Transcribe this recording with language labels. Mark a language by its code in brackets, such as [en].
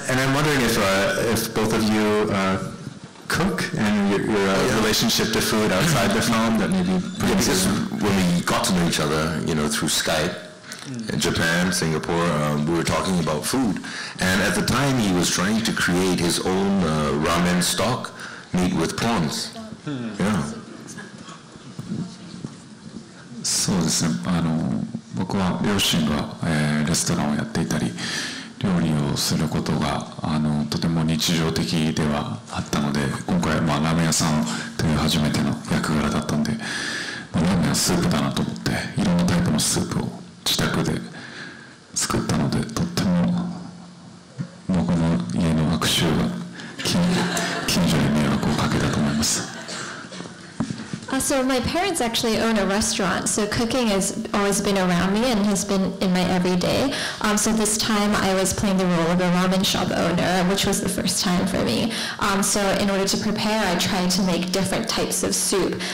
[en] And I'm wondering if both of you cook, and your relationship to food outside the film, that maybe... Yeah, because when we got to know each other, you know, through Skype, in Japan, Singapore, we were talking about food. And at the time, he was trying to create his own ramen stock made with prawns. Yeah. [ja] So,僕は両親が、レストランをやっていたり、料理をすることが、とても日常的ではあったので、今回はラーメン屋さんという初めての役柄だったので、ラーメンはスープだなと思って、いろんなタイプのスープを自宅で作ったので、とても僕の家の悪臭が近所に迷惑をかけたと思います。 [en] So my parents actually own a restaurant, so cooking has always been around me and has been in my everyday. So this time I was playing the role of a ramen shop owner, which was the first time for me. So in order to prepare, I tried to make different types of soup.